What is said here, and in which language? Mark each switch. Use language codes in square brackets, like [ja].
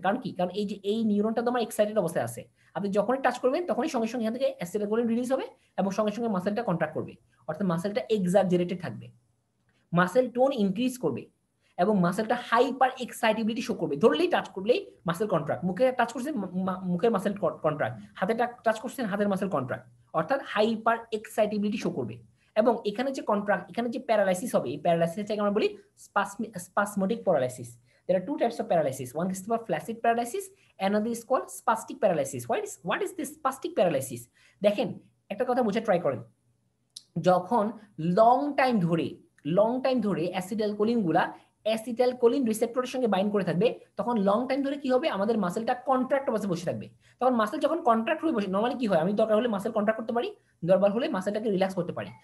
[bn] কারণ কি, কারণ এই যে এই নিউরনটা তো আমার এক্সাইটেড অবস্থায় আছে, আপনি যখনই টাচ করবেন তখনই সঙ্গে সঙ্গে এখান থেকে অ্যাসিটাইলকোলিন রিলিজ হবে, এবং সঙ্গে সঙ্গে মাসেলটা কন্ট্রাক্ট করবে, অর্থাৎ মাসেলটা এক্সার্জেটেড থাকবে, মাসেল টোন ইনক্রিজ করবে, এবং মাসেলটা হাইপার এক্সাইটেবিলিটি শো করবে। ধরলেই টাচ করলেই মাসেল কন্ট্রাক্ট, মুখে টাচ করছেন মুখের মাসেল কন্ট্রাক্ট, হাতে টাচ করছেন হাতের মাসেল কন্ট্রাক্ট, অর্থাৎ হাইপার এক্সাইটেবিলিটি শো করবে। এবং এখানে যে কন্ট্রাক্ট, এখানে যে প্যারালাইসিস হবে, এই প্যারালাইসিস থেকে আমরা বলি স্পাসমোটিক paralysis. [en] There are two types of paralysis. One is called flaccid paralysis, another is called spastic paralysis. What is this spastic paralysis? [bn] দেখেন একটা কথা বুঝে ট্রাই করেন, যখন লং টাইম ধরে অ্যাসিটাইলকোলিনগুলা অ্যাসিটাইলকোলিন রিসেপ্টরের সঙ্গে বাইন্ড করে থাকবে, তখন লং টাইম ধরে কি হবে, আমাদের মাসেলটা কন্ট্রাক্ট অবস্থায় বসে থাকবে। তখন মাসেল যখন কন্ট্রাক্ট হয়ে বসে, নর্মালি কি হয়, আমি দরকার হলে মাসেল কন্ট্রাক্ট করতে পারি, দরকার হলে মাসেলটাকে রিল্যাক্স করতে পারি।